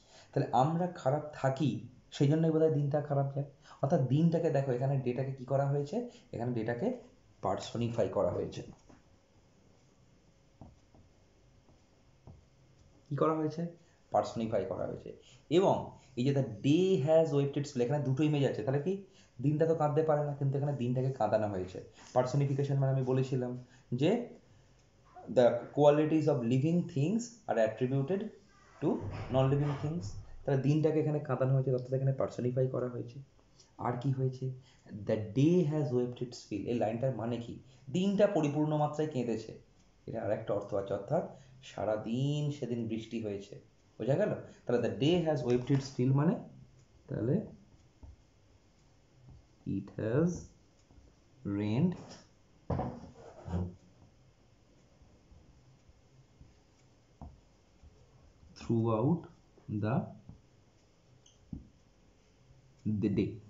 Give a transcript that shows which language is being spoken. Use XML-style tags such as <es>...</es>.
<bn>তাহলে আমরা খারাপ থাকি সেই জন্যই বোধহয় দিনটা খারাপ যায়, অর্থাৎ দিনটাকে দেখো এখানে ডেটাকে কী করা হয়েছে, এখানে ডেটাকে পার্সোনিফাই করা হয়েছে, কি করা হয়েছে, পার্সোনিফাই করা হয়েছে, এবং এই যে</bn> <en>the day has wept its,</en> <bn>এখানে দুটো ইমেজ আছে, তাহলে কি দিনটা তো কাঁদতে পারে না, কিন্তু এখানে দিনটাকে কাঁদানো হয়েছে, পার্সোনিফিকেশন মানে আমি বলেছিলাম যে</bn> <en>the qualities of living things are attributed to non-living things.</en> <bn>তাহলে দিনটাকে এখানে কাঁদানো হয়েছে, রাতটাকে এখানে পার্সোনিফাই করা হয়েছে। আর কি হয়েছে?</bn> <en>The day has wept its fill.</en> <bn>এই লাইনটার মানে কি? দিনটা পরিপূর্ণ মাত্রায় কেঁদেছে, এটা আর একটা অর্থ আছে, অর্থাৎ সারাদিন সেদিন বৃষ্টি হয়েছে। বোঝা গেল?</bn> <en>তাহলে the day has wept its fill মানে, তাহলে it has rained throughout the day.</en>